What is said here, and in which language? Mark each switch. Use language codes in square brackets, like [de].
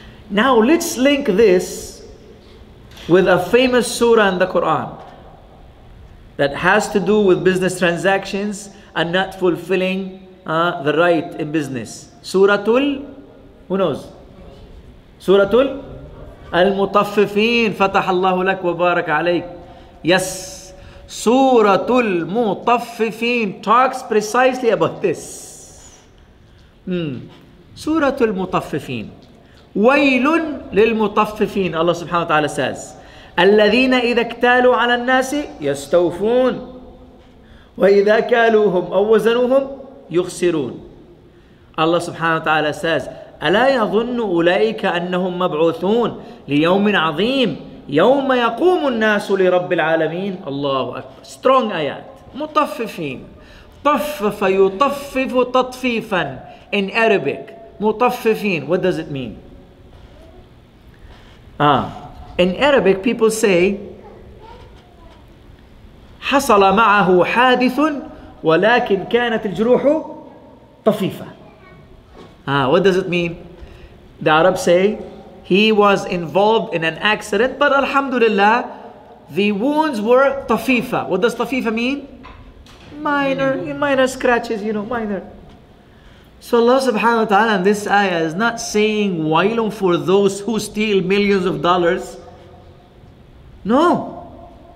[en] Now let's link this with a famous surah in the Quran that has to do with business transactions and not fulfilling the right in business. Suratul, who knows? Suratul? [ar] المطففين فتح الله لك وبارك عليك. [en] Yes, سورة المطففين talks precisely about this. [ar] سورة المطففين. ويل للمطففين. Allah subhanahu wa ta'ala says, الذين إذا اكتالوا على الناس يستوفون وإذا كالوهم أو وزنوهم يخسرون. Allah subhanahu wa ta'ala says, ألا يظن أولئك أنهم مبعوثون ليوم عظيم يوم يقوم الناس لرب العالمين. الله أكبر. Strong آيات. مطففين. طفف يطفف تطفيفا. [en] In Arabic. [ar] مطففين. [en] What does it mean? In Arabic people say [ar] حصل معه حادث ولكن كانت الجروح طفيفة. [en] What does it mean? The Arabs say, he was involved in an accident, but alhamdulillah, the wounds were tafifa. What does tafifa mean? minor scratches, you know, minor. So Allah subhanahu wa ta'ala in this ayah is not saying wailun for those who steal millions of dollars. No.